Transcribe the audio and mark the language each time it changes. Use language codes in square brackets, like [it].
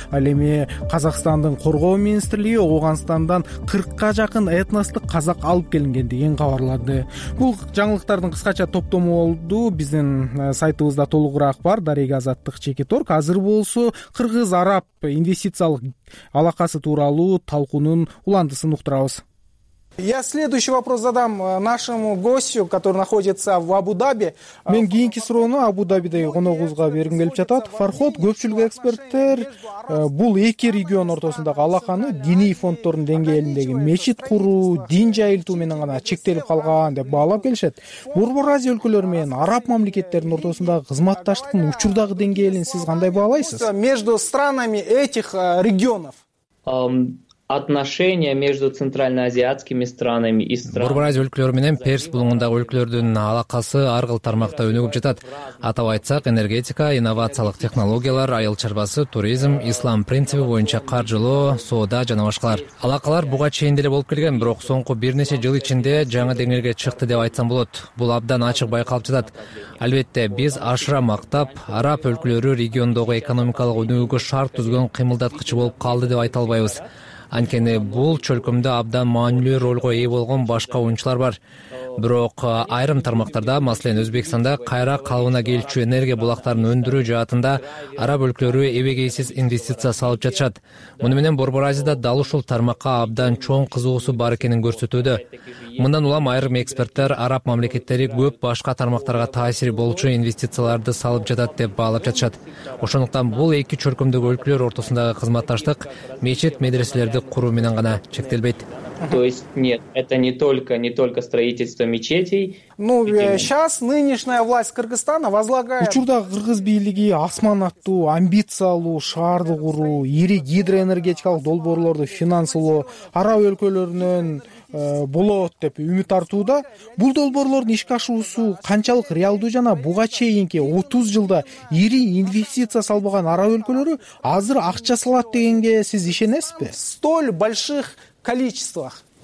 [ky] Ал эми Казакстандын коргоо министрлиги Ооганстандан 40 жакын этностук казак алып келингендигин кабарлады. Бул жаңылыктардын кыскача топтому болду. Биздин сайтыбызда толугураак бар, Дарига Азаттык чеки тор. Азыр болсо кыргыз араб инвестициялык алакасы тууралуу талкуунун уландысын уктурабыз. [ru] Я следующий вопрос задам нашему гостю, который находится в Абу-Даби. [ky] Мен кийинки суроону Абу-Дабидеги коногубузга бергим келип жатат. Фархот, көпчүлүк эксперттер бул эки регион ортосундагы алаканы диний фонддордун деңгээлиндеги мечит куруу, дин жайылтуу менен гана чектелип калган деп баалап келишет. Борбор Азия өлкөлөрү менен араб мамлекеттеринин ортосундагы кызматташтыктын учурдагы деңгээлин сиз кандай баалайсыз? [ru] Между странами этих регионов. Отношения между центральноазиатскими странами и странами. [ky] Борбор Азия өлкөлөрү менен Перс булуңундагы өлкөлөрдүн алакасы ар кыл тармакта өнүгүп жатат. Атап айтсак, энергетика, инновациялык технологиялар, айыл чарбасы, туризм, ислам принциби боюнча каржылоо, соода жана башкалар. Алакалар буга чейин деле болуп келген, бирок соңку бир нече жыл ичинде жаңы деңгээлге чыкты деп айтсам болот. Бул абдан ачык байкалып жатат. Албетте, биз ашыра мактап, араб өлкөлөрү региондогу экономикалык өнүгүүгө шарт түзгөн кыймылдаткыч болуп калды деп айта албайбыз. Анткени бул чөлкөмдө абдан маанилүү ролго ээ болгон башка оюнчулар бар. Бирок айрым тармактарда, маселен Өзбекстанда кайра калыбына келчү энергия булактарын өндүрүү жаатында араб өлкөлөрү эбегейсиз инвестиция салып жатышат. Муну менен Борбор Азияда дал ушул тармакка абдан чоң кызыгуусу бар экенин көрсөтүүдө. Мындан улам айрым эксперттер араб мамлекеттери көп башка тармактарга таасири болчу инвестицияларды салып жатат деп баалап жатышат. Ошондуктан бул эки чөлкөмдөгү өлкөлөр ортосундагы кызматташтык мечит, медреселерди куруу менен гана чектелбейт. [ru] То есть нет, это не только строительство мечетей. Ну, сейчас нынешняя власть Кыргызстана возлагает... [ky] Учурда кыргыз бийлиги Асман аттуу амбициялуу шаарды куруу, ири гидроэнергетикалык долбоорлорду финансылоо, араб өлкөлөрүнөн болот деп үмүт артууда. Бул долбоорлордун ишке ашуусу канчалык реалдуу жана буга чейинки 30 жылда ири инвестиция салбаган араб өлкөлөрү азыр акча салат дегенге сиз ишенесизби? [ru] Столь больших количествах.